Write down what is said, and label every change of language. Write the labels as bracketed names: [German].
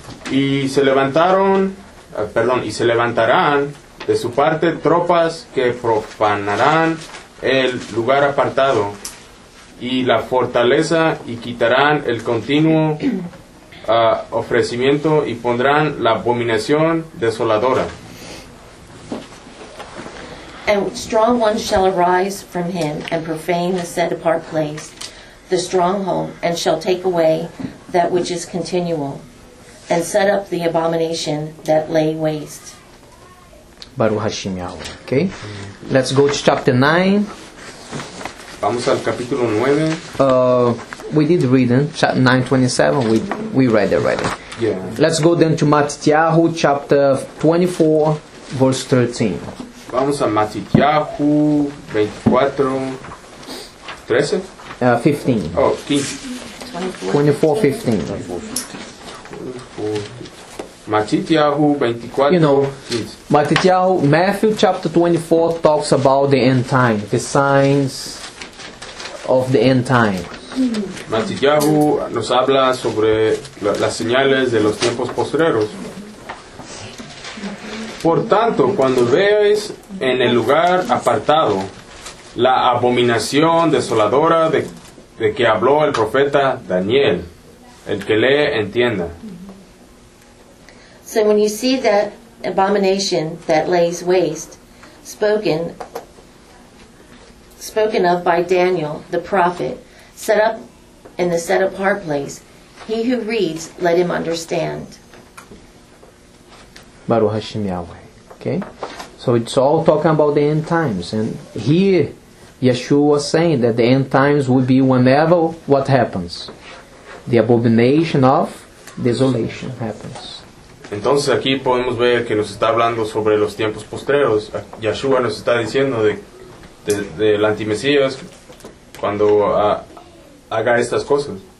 [Spanish] y se levantaron, perdón, y se levantarán de su parte tropas que profanarán el lugar apartado y la fortaleza y quitarán el continuo ofrecimiento y pondrán la abominación desoladora. [English] And strong ones shall arise from him and profane the set apart place, the stronghold, and shall take away that which is continual, and set up the abomination that lay waste. [Hebrew] Baruch Hashem Yahweh. [English] Okay. Let's go to chapter 9. [Spanish] Vamos al capítulo 9. [English] We did read in 9:27. We read already. Yeah. Let's go then to Matityahu chapter 24, verse 13. [Spanish] Vamos a Matityahu 24, 13? 15. Oh, 15. 24, 15. Matityahu 24, 15. [English] Matityahu, Matthew chapter 24 talks about the end time, the signs of the end time. [Spanish] Matityahu nos habla sobre las señales de los tiempos postreros. Por tanto, cuando veáis en el lugar apartado la abominación desoladora de que habló el profeta Daniel, el que lee entienda. [English] So when you see that abomination that lays waste, spoken of by Daniel the prophet, set up in the set apart place, he who reads, let him understand. [Hebrew] Baruch Hashem Yahweh. [English] Okay, so it's all talking about the end times, and here Yeshua was saying that the end times will be whenever what happens, the abomination of desolation happens. [Spanish] Entonces aquí podemos ver que nos está hablando sobre los tiempos postreros. Yeshua nos está diciendo de el antimesías cuando haga estas cosas.